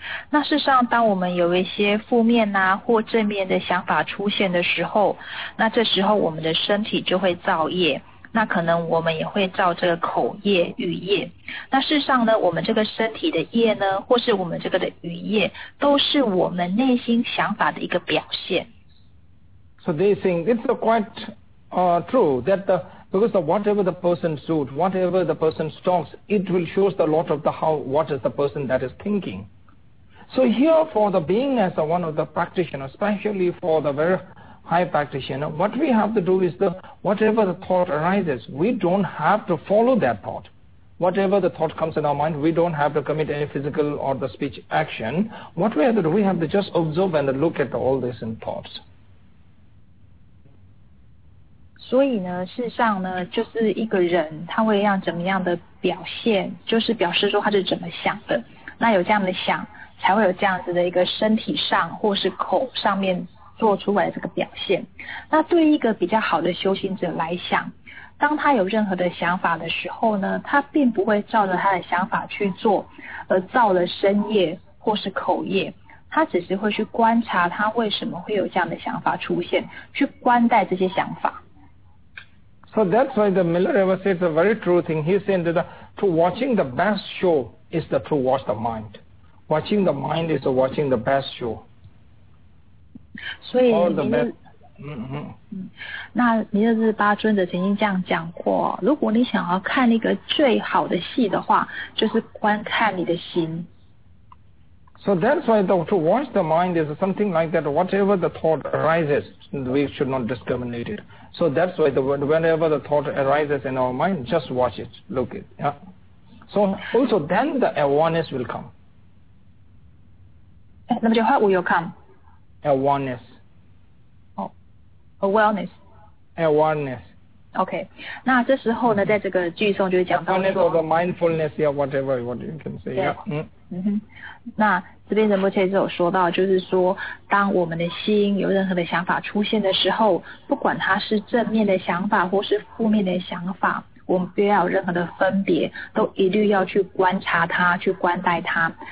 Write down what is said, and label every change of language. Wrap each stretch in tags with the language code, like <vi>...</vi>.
<zh>那事实上当我们有一些负面啊或正面的想法出现的时候，那这时候我们的身体就会造业，那可能我们也会造这个口业、语业。那事实上呢，我们这个身体的业呢，或是我们这个的语业，都是我们内心想法的一个表现。</zh> <en>So they think it's quite true that the, because the whatever the person suits, whatever the person talks, it will show the lot of the how, what is the person that is thinkingSo here for the being as a one of the practitioner, especially for the very high practitioner, what we have to do is the whatever the thought arises, we don't have to follow that thought. Whatever the thought comes in our mind, we don't have to commit any physical or the speech action. What we have to do, we have to just observe and look at all this in thoughts.</en> <zh>所以呢，事实上呢，就是一个人他会让怎么样的表现，就是表示说他是怎么想的。那有这样的想。才会有这样子的一个身体上或是口上面做出来的这个表现。那对于一个比较好的修行者来讲，当他有任何的想法的时候呢，他并不会照着他的想法去做而造了身业或是口业，他只是会去观察他为什么会有这样的想法出现，去观待这些想法。</zh> <en>So that's why the Miller ever says a very true thing. He said that the, to watching the best show is the, to watch the mindWatching the mind is watching the best show. So, all the best.</en> <zh>那弥勒日巴尊者曾经这样讲过，如果你想要看一个最好的戏的话，就是观看你的心。</zh> <en>So that's why to watch the mind is something like that. Whatever the thought arises, we should not discriminate it. So that's why whenever the thought arises in our mind, just watch it, look it. Yeah. So also then the awareness will come.</en> <zh>那么就</zh> <en>what will you come? Awareness. Oh, awareness. Awareness. Okay.</en> <zh>那这时候呢，在这个句诵就是讲到说</zh> <en>awareness or the mindfulness, yeah, whatever what you can say. Yeah.</en> <zh>那这边仁波切就有说到，就是说，当我们的心有任何的想法出现的时候，不管它是正面的想法或是负面的想法，我们不要有任何的分别，都一律要去观察它，去观待它。</zh>